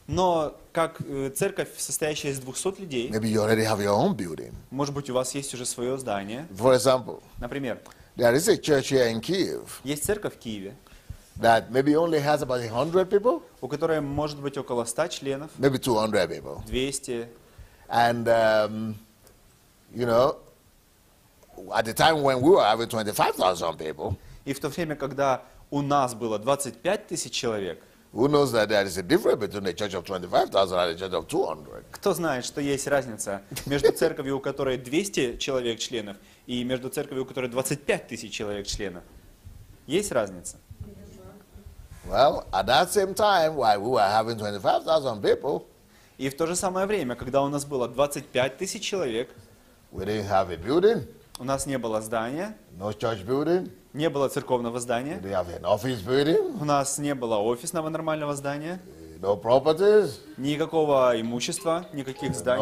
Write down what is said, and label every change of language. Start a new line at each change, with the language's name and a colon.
Russian: Но как церковь, состоящая из 200 людей.
English: Maybe you already have your own building.
Russian: Может быть, у вас есть уже свое здание.
English: For example.
Russian: Например.
English: There is a church here in Kyiv.
Russian: Есть церковь в Киеве.
English: That maybe only has about 100 people.
Russian: У которой может быть около 100 членов.
English: Maybe 200 people.
Russian: 200.
English: And you know, at the time when we were having 25,000 people.
Russian: И в то время, когда у нас было 25 тысяч человек.
English: Who knows that there is a difference between a church of 25,000 and a church of 200?
Russian: Кто знает, что есть разница между церковью, у которой 200 человек членов, и между церковью, у которой 25 тысяч человек членов? Есть разница?
English: Well, at that same time, while we were having 25,000 people.
Russian: И в то же самое время, когда у нас было 25 тысяч человек.
English: We didn't have a building.
Russian: У нас не было здания.
English: No church building.
Russian: Не было церковного здания.
English: We didn't have an office building.
Russian: У нас не было офисного нормального здания.
English: No properties.
Russian: Никакого имущества, никаких зданий.